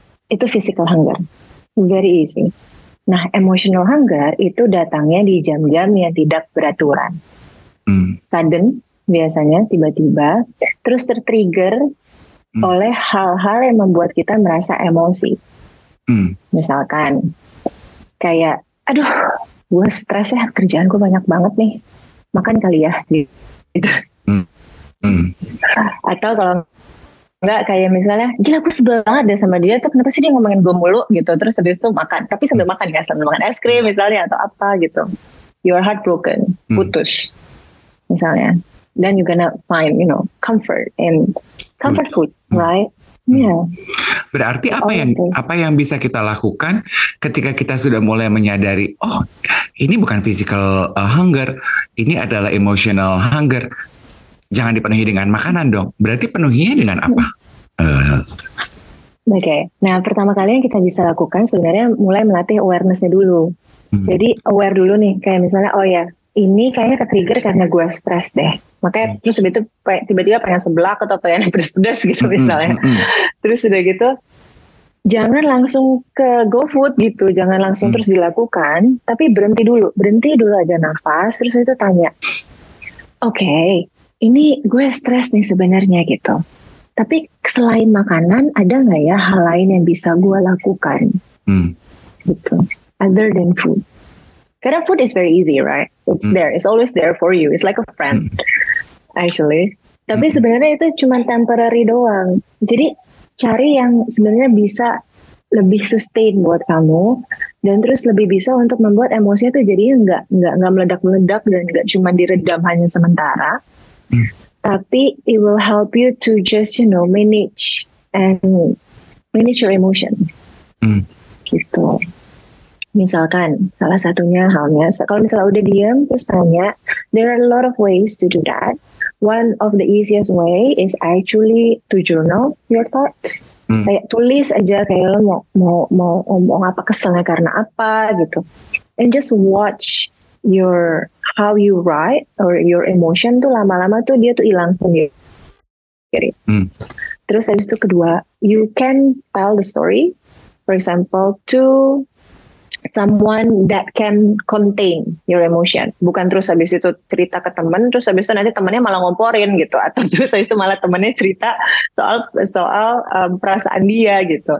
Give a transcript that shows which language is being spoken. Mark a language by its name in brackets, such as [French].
[English] Itu physical hunger, very easy. [Indonesian] Nah, emotional hunger itu datangnya di jam-jam yang tidak beraturan. Sudden, biasanya tiba-tiba, terus tertrigger oleh hal-hal yang membuat kita merasa emosi. Misalkan kayak, aduh gue stres ya, kerjaan gue banyak banget nih, makan kali ya gitu. Atau kalau enggak, kayak misalnya, gila gue sebel banget deh sama dia, tuh kenapa sih dia ngomongin gue mulu gitu, terus habis itu makan, tapi sambil makan ya, sambil makan es krim misalnya, atau apa gitu. [English] You're heartbroken, [Indonesian] putus misalnya. [English] Then you're gonna find, you know, comfort in comfort food, right? [Indonesian] Berarti apa yang bisa kita lakukan ketika kita sudah mulai menyadari, oh, ini bukan physical hunger, ini adalah emotional hunger. Jangan dipenuhi dengan makanan dong. Berarti penuhinya dengan apa? [English] Okay. [Indonesian] Nah, pertama kali yang kita bisa lakukan sebenarnya mulai melatih awareness-nya dulu. Jadi aware dulu nih, kayak misalnya, oh ya, ini kayaknya ketrigger karena gue stres deh. Makanya terus habis itu tiba-tiba pengen seblak atau pengen pedes-pedes gitu misalnya. Terus udah gitu, jangan langsung ke GoFood gitu. Jangan langsung terus dilakukan. Tapi berhenti dulu. Berhenti dulu aja nafas. Terus itu tanya, okay, ini gue stres nih sebenarnya gitu. Tapi selain makanan, ada gak ya hal lain yang bisa gue lakukan? [English] Gitu. Other than food. Karena food is very easy, right? It's there. It's always there for you. It's like a friend, actually. [Indonesian] Tapi sebenarnya itu cuma temporary doang. Jadi cari yang sebenarnya bisa lebih sustain buat kamu, dan terus lebih bisa untuk membuat emosinya tuh jadinya nggak meledak-meledak dan nggak cuma diredam hanya sementara. [English] Tapi it will help you to just, you know, manage your emotion. Gitu. [Indonesian] Misalkan salah satunya halnya, kalau misalnya udah diem terus tanya, [English] there are a lot of ways to do that. One of the easiest way is actually to journal your thoughts. [Indonesian] Kayak tulis aja kayak lo mau ngomong apa, keselnya karena apa gitu. [English] And just watch your how you write or your emotion [Indonesian] tuh lama-lama tuh dia tuh hilang sendiri. Terus habis itu kedua, [English] you can tell the story. For example, to someone that can contain your emotion. [Indonesian] Bukan terus habis itu cerita ke teman, terus habis itu nanti temannya malah ngomporin gitu, atau terus habis itu malah temannya cerita soal perasaan dia gitu.